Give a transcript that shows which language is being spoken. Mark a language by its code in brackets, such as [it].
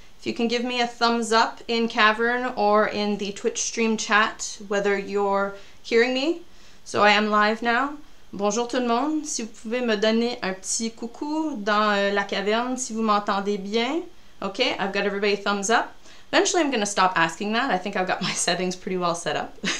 [en] If you can give me a thumbs up in Cavern or in the Twitch stream chat, whether you're hearing me. So I am live now. [fr] Bonjour tout le monde, si vous pouvez me donner un petit coucou dans la caverne, si vous m'entendez bien. [en] Okay, I've got everybody thumbs up. Eventually I'm gonna stop asking that. I think I've got my settings pretty well set up.